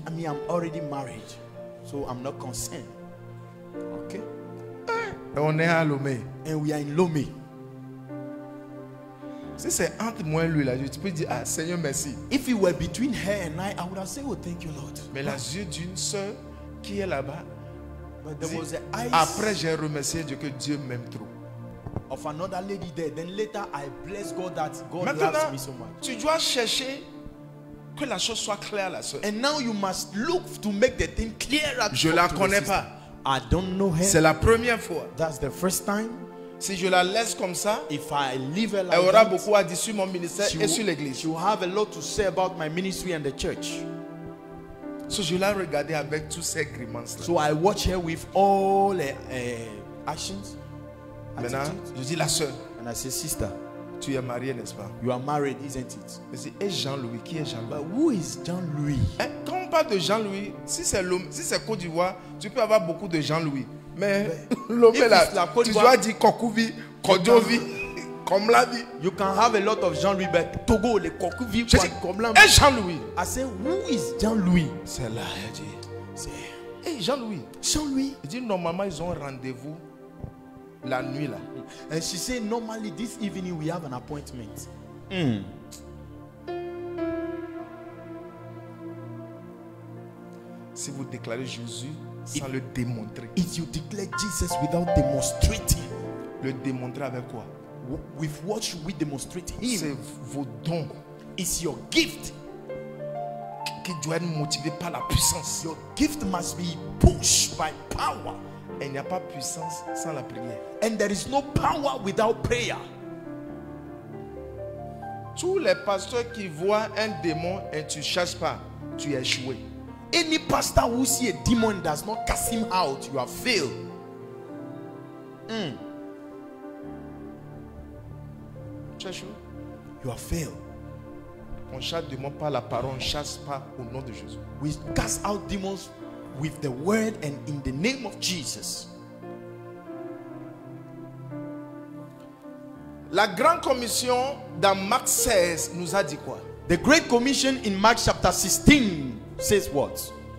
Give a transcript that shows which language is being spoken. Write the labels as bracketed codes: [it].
[en] I mean, I'm already married. So I'm not concerned. Okay. [fr] Hey. Et on est à Lomé. [en] And we are in Lomé. [fr] Si c'est entre moi et lui là, tu peux dire ah Seigneur merci. [en] If it were between her and I would have said oh thank you Lord. [fr] Mais la yeux d'une sœur qui est là-bas. [en] But there was an eyes. [fr] Après j'ai remercié Dieu que Dieu m'aime trop. [en] Of another lady there. Then later I bless God that God loves me so much. [fr] Tu dois chercher que la chose soit claire là. [en] And now you must look to make the thing clearer. [fr] Je la connais pas. [en] I don't know her. [fr] C'est la première fois. [en] That's the first time. [fr] Si je la laisse comme ça, [en] if I leave her like [fr] elle aura [en] that, [fr] beaucoup à dire sur mon ministère et sur l'église. [en] She will have a lot to say about my ministry and the church. [fr] So je la regardais avec tous ces grimaces. [en] So I watch her with all her actions. [fr] Maintenant, je dis la sœur. [en] And I say sister, [fr] tu es mariée, n'est-ce pas? [en] You are married, isn't it? [fr] Je dis et Jean-Louis, qui est Jean-Louis? [en] But who is Jean-Louis? [fr] Et quand on parle de Jean-Louis, si c'est Côte d'Ivoire, tu peux avoir beaucoup de Jean-Louis. Mais Lomé là, tu dois dire Kokouvi, Kodjovi, Komlavi. [en] You can have a lot of Jean-Louis, but Togo, le Kokouvi, Komlavi. [fr] Et Jean-Louis. [en] I say, who is Jean-Louis? [fr] C'est là, je dis. Hey, Jean-Louis. Jean-Louis. Je dis, normalement, ils ont rendez-vous la nuit là. [en] And she said, normally, this evening, we have an appointment. [fr] Si vous déclarez Jésus sans le démontrer. [en] If you declare Jesus without demonstrating. [fr] Le démontrer avec quoi? [en] With what should we demonstrate him? [fr] C'est vos dons. [en] It's your gift. [fr] Qui doit être motivé par la puissance. [en] Your gift must be pushed by power. [fr] Et il n'y a pas puissance sans la prière. [en] And there is no power without prayer. [fr] Tous les pasteurs qui voient un démon et tu ne chasses pas, tu es échoué. [en] Any pastor who sees a demon does not cast him out, you have failed. Joshua, you have failed. [fr] On chasse démons par la parole, on chasse pas au nom de Jésus. [en] We cast out demons with the word and in the name of Jesus. [fr] La grande commission dans Marc 16 nous a dit quoi? [en] The great commission in Mark chapter 16 says what?